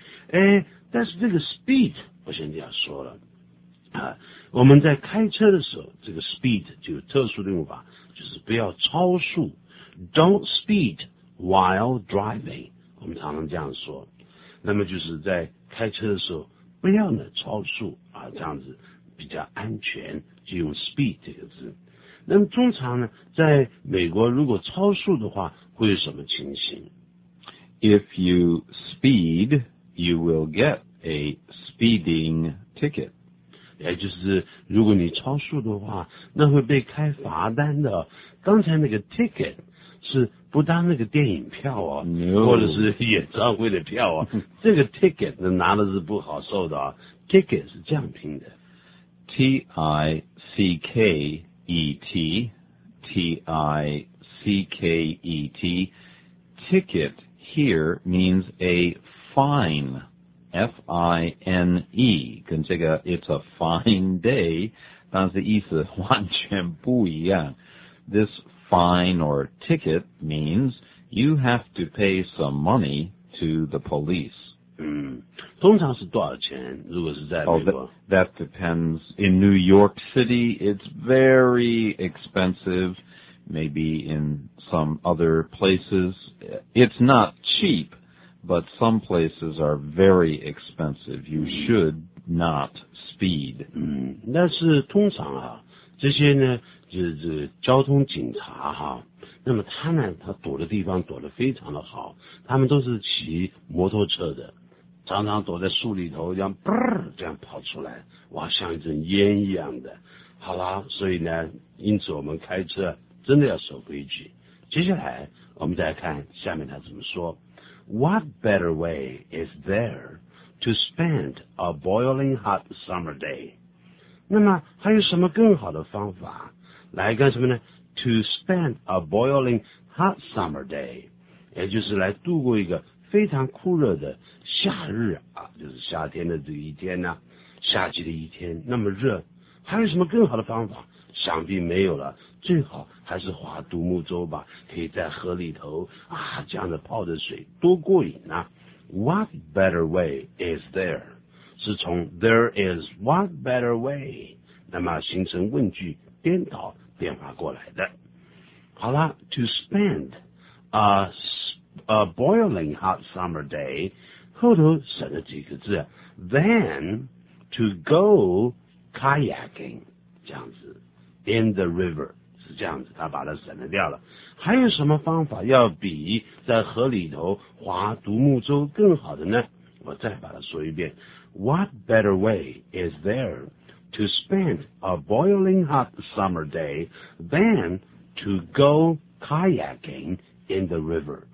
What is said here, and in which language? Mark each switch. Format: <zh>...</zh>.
<zh>哎，但是这个 speed 我现在要说了啊，我们在开车的时候这个 speed 就有特殊的用法，就是不要超速，</zh> <en>don't speed while driving,</en> <zh>我们常常这样说，那么就是在开车的时候不要呢超速啊，这样子比较安全，就用 speed 这个字。那么通常呢在美国如果超速的话会有什么情形？</zh> <en>If you speed, you will get a speeding ticket.</en> <zh>也就是如果你超速的话那会被开罚单的。刚才那个 ticket 是不当那个电影票哦、</zh> <en>no.</en> <zh>或者是演唱会的票哦这个 ticket 拿的是不好受的啊。 ticket 是这样拼的。</zh> <en>T-I-C-K-E-T, T-I-C-K-E-T, ticket here means a fine, F-I-N-E,</en> <zh>跟这个</zh> <en>it's a fine day,</en> <zh>但是意思完全不一样。</zh> <en>This fine or ticket means you have to pay some money to the police.</en> <zh>嗯，通常是多少钱？如果是在美国、</zh> <en>that depends. In New York City, it's very expensive. Maybe in some other places, it's not cheap, but some places are very expensive. You should not speed.</en> <zh>嗯，但是通常啊，这些呢，交通警察哈、啊。那么他呢，他躲的地方躲得非常的好，他们都是骑摩托车的，常常躲在树里头，这样嘣这样跑出来，哇，像一阵烟一样的。好啦，所以呢，因此我们开车真的要守规矩。接下来我们再来看下面他怎么说。</zh> <en>What better way is there to spend a boiling hot summer day?</en> <zh>那么还有什么更好的方法来干什么呢？</zh> <en>To spend a boiling hot summer day,</en> <zh>也就是来度过一个非常酷热的夏日啊，就是夏天的这一天呢、啊，夏季的一天那么热，还有什么更好的方法？想必没有了，最好还是划独木舟吧，可以在河里头啊，这样的泡着水多过瘾啊。</zh> <en>What better way is there?</en> <zh>是从</zh> <en>there is what better way?</en> <zh>那么形成问句颠倒变化过来的。好啦</zh> <en>to spend a boiling hot summer day,</en> <zh>后头省了几个字</zh> <en>then to go kayaking,</en> <zh>这样子</zh> <en>in the river,</en> <zh>是这样子他把它省了掉了。还有什么方法要比在河里头划独木舟更好的呢？我再把它说一遍。</zh> <en>What better way is there to spend a boiling hot summer day than to go kayaking in the river?</en>